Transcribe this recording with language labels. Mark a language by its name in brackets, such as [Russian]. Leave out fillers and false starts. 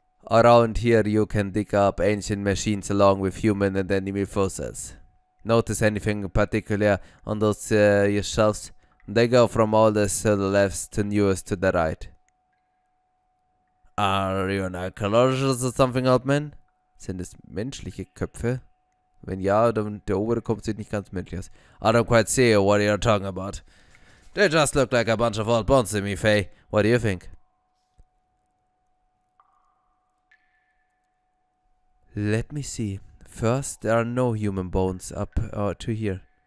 [English] Around here you can dig up ancient machines along with human and enemy fossils. Notice anything particular on those your shelves? They go from oldest to the left to newest to the right. Are you an archaeologist or something, old man? [German] Sind es menschliche Köpfe? Wenn ja, dann der obere Kopf sieht nicht ganz menschlich aus. [English] I don't quite see what you're talking about. They just look like a bunch of old bones to me, Faye. What do you think? Let me see. First, there are no human bones up to here.